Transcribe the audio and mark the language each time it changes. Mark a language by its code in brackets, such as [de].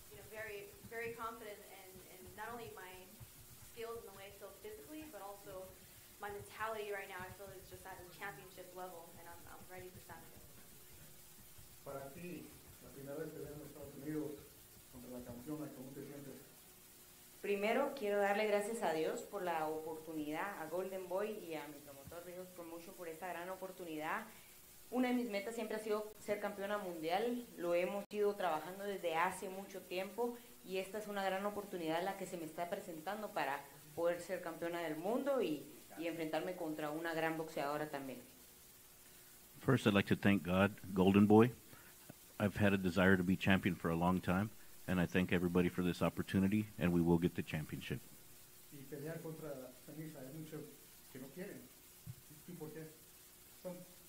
[en] Very, very confident in not only my skills and the way I feel physically, but also my mentality right now. I feel it's just at a championship level, and I'm ready for Saturday. [es] Para ti, la primera vez que vengo a Estados Unidos, contra la campeona, ¿cómo te sientes? Primero, quiero darle gracias a Dios por la oportunidad, a Golden Boy y a mi promotor Ríos Promotion por esta gran oportunidad. Una de mis metas siempre ha sido ser campeona mundial. Lo hemos ido trabajando desde hace mucho tiempo y esta es una gran oportunidad la que se me está presentando para poder ser campeona del mundo y enfrentarme contra una gran boxeadora también. [en] First, I'd like to thank God, Golden Boy. I've had a desire to be champion for a long time, and I thank everybody for this opportunity, and we will get the championship. [es] Y pelear contra Sanisa es mucho que no quieren. ¿Y por qué?